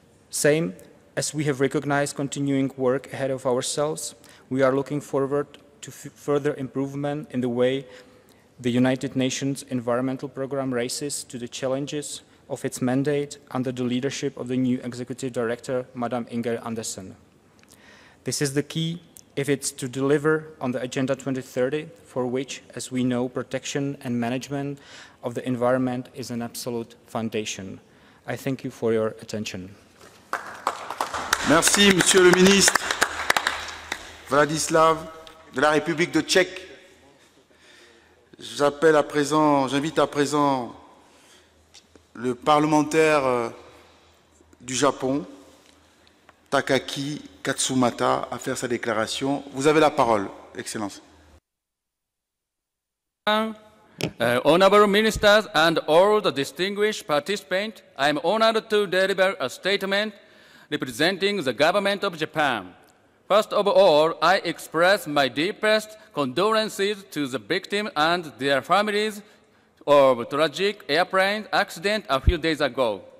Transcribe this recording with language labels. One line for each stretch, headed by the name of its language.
English: Same as we have recognized continuing work ahead of ourselves, we are looking forward to further improvement in the way the United Nations Environmental Programme races to the challenges of its mandate under the leadership of the new Executive Director, Madame Inger Andersen. This is the key if it's to deliver on the Agenda 2030, for which, as we know, protection and management of the environment is an absolute foundation. I thank you for your attention.
French: Merci, Monsieur le Ministre Vladislav de la République de Tchèque. J'invite à présent le parlementaire du Japon, Takaki Katsumata, à faire sa déclaration. Vous avez la parole, Excellence.
English: Honorable ministers and all the distinguished participants, I am honored to deliver a statement representing the government of Japan. First of all, I express my deepest condolences to the victims and their families of a tragic airplane accident a few days ago.